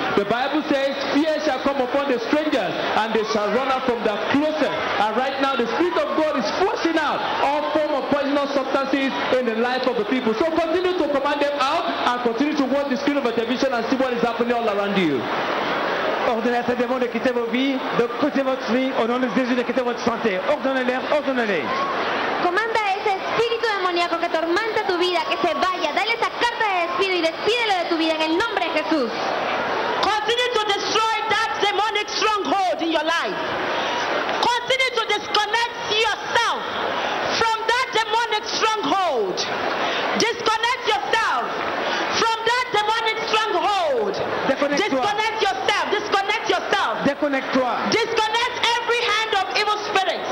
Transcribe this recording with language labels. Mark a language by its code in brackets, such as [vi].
[en] The Bible says, fear shall come upon the strangers and they shall run out from their closet. And right now, the Spirit of God is forcing out all forms of poisonous substances in the life of the people. So continue to command them out and continue to watch the screen of the television and see what is happening all around you. [fr] Ordonnez à ces démons de quitter vos vies, de quitter votre vie, au nom de Jésus, de quitter votre santé. Ordonnez-les. [es] Commande à ese espíritu demoníaco que tormenta tu vida, que se vaya. Dale esa carta de despido y despídelo de tu vida en el nombre de Jesús. [en] Continue to destroy that demonic stronghold in your life. Continue to disconnect yourself from that demonic stronghold. Disconnect yourself from that demonic stronghold. Disconnect yourself. Disconnect yourself. Disconnect every hand of evil spirits.